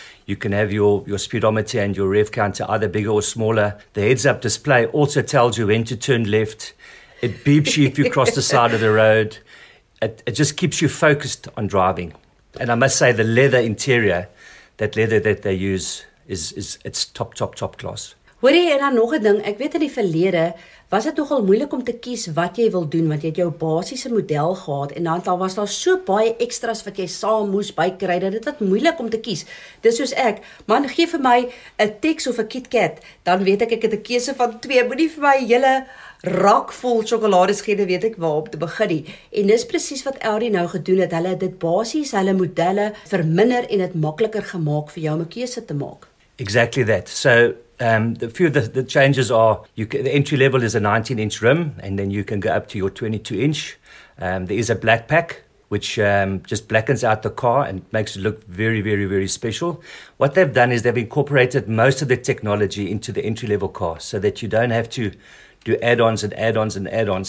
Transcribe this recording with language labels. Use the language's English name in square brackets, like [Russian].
[English] You can have your speedometer and your rev counter, either bigger or smaller. The heads-up display also tells you when to turn left. It beeps you if you cross the side of the road. It just keeps you focused on driving. And I must say, the leather interior, that leather that they use, is it's top, top, top class. [Afrikaans] Hoorie, en dan nog 'n ding, ek weet in die verlede was het nogal moeilik om te kies wat jy wil doen, want jy het jou basiese model gehad en dan was daar so baie extras wat jy saam moes bykry, dat het wat moeilik om te kies. Dis soos ek, man, gee vir my 'n Tex of 'n KitKat, dan weet ek het 'n keuse van twee, moet nie vir my hele rak vol chocolades gee, dan weet ek waarop te begin nie. En dis precies wat Audi nou gedoen het, hulle het dit basis, hulle modelle verminder en het makkeliker gemaakt vir jou om 'n keuse te maak. [English] Exactly that. So the few of the changes are, the entry level is a 19-inch rim, and then you can go up to your 22-inch. There is a black pack, which just blackens out the car and makes it look very, very, very special. What they've done is they've incorporated most of the technology into the entry-level car so that you don't have to do add-ons and add-ons and add-ons.